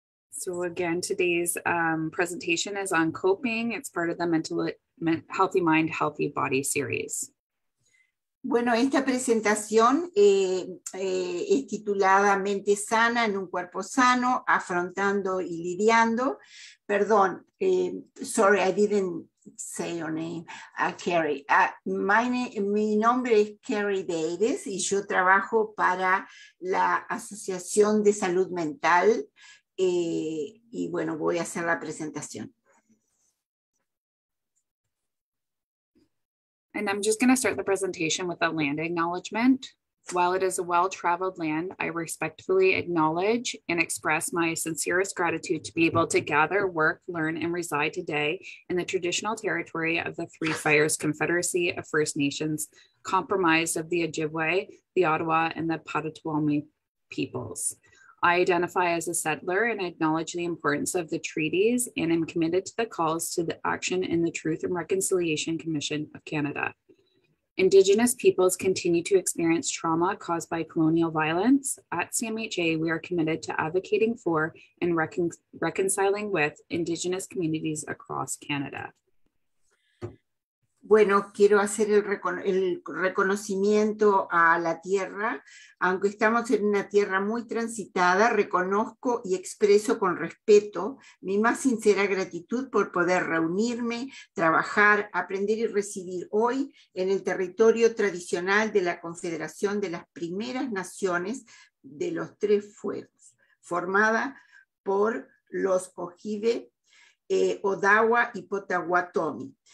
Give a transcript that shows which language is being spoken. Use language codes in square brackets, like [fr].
[en] So again, today's presentation is on coping. It's part of the Healthy Mind, Healthy Body series. [es] Bueno, esta presentación es titulada Mente Sana en un Cuerpo Sano, Afrontando y Lidiando. [en] Perdón, sorry, I didn't say your name, Carrie. [es] Mi nombre es Carrie Davis y yo trabajo para la Asociación de Salud Mental. Y bueno, voy a hacer la presentación. [en] And I'm just going to start the presentation with a land acknowledgement. While it is a well-traveled land, I respectfully acknowledge and express my sincerest gratitude to be able to gather, work, learn, and reside today in the traditional territory of the Three Fires Confederacy of First Nations, comprised of the Ojibwe, the Ottawa, and the Potawatomi peoples. I identify as a settler and acknowledge the importance of the treaties and am committed to the calls to the action in the Truth and Reconciliation Commission of Canada. Indigenous peoples continue to experience trauma caused by colonial violence. At CMHA, we are committed to advocating for and reconciling with Indigenous communities across Canada. [es] Bueno, quiero hacer el reconocimiento a la tierra. Aunque estamos en una tierra muy transitada, reconozco y expreso con respeto mi más sincera gratitud por poder reunirme, trabajar, aprender y residir hoy en el territorio tradicional de la Confederación de las Primeras Naciones de los Tres Fuegos, formada por los Ojibwe, Odawa y Potawatomi.